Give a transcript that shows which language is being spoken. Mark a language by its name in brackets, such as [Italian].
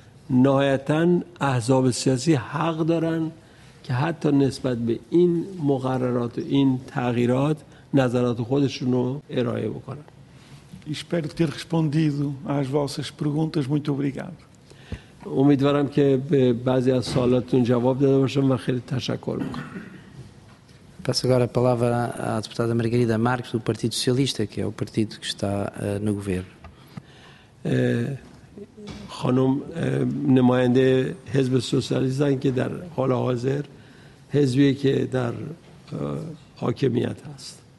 [Persian] نهایتاً احزاب سیاسی حق دارن که حتی نسبت به این مقررات و این تغییرات نظرات خودشون رو ارائه بکنن. [Portuguese] Espero ter respondido às vossas perguntas. Muito obrigado. [Persian] امیدوارم که به بعضی از سوالاتتون جواب داده باشم و خیلی تشکر می‌کنم. [Portuguese] Passo agora a palavra à deputada Margarida Marques do Partido Socialista, que é o partido que está no governo. [Persian] خانم نماینده حزب سوسیالیستان که در حال حاضر حزبی که در حاکمیت است.